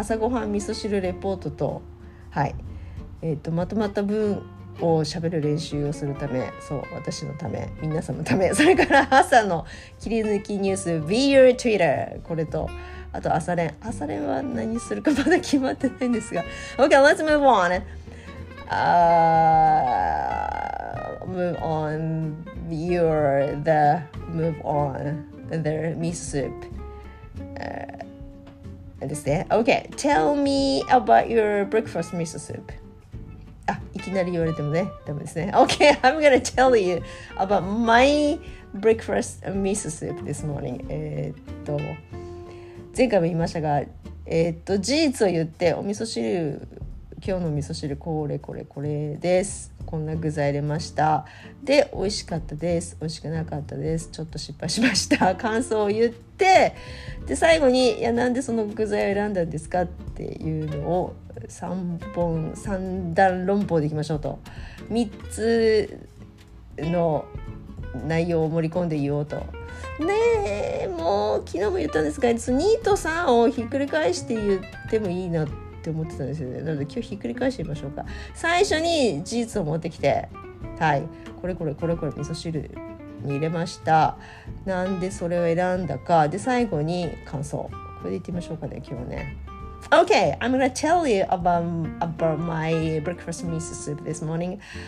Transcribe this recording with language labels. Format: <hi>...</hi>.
<ja>朝ごはん味噌汁レポートと、はい、まとまった分を喋る練習をするため、そう、私のため、皆様のため、それから朝の切り抜きニュース Be Your Twitter、 これとあと朝練。朝練は何するかまだ決まってないんですが。</ja> <en>Okay, let's move on. Move on your the move on the miso soup. Okay, tell me about your breakfast miso soup.</en> <ja>あ、いきなり言われてもね、ダメですね。</ja> <en>Okay, I'm gonna tell you about my breakfast miso soup this morning.</en> <ja>前回も言いましたが、事実を言って、お味噌汁、今日の味噌汁これこれこれです、こんな具材入れました、で美味しかったです、美味しくなかったです、ちょっと失敗しました、感想を言って、で最後に、いや、なんでその具材を選んだんですかっていうのを3段論法でいきましょうと、3つの内容を盛り込んで言おうと。ねえ、もう昨日も言ったんですが、2と3をひっくり返して言ってもいいなって思ってたんですよね。なので今日ひっくり返してみましょうか。最初に事実を持ってきて、はい、これこれこれこれ味噌汁に入れました、なんでそれを選んだか、で最後に感想、これで言ってみましょうかね、今日ね。</ja> <en>OK, I'm gonna tell you about my breakfast miso soup this morning.</en>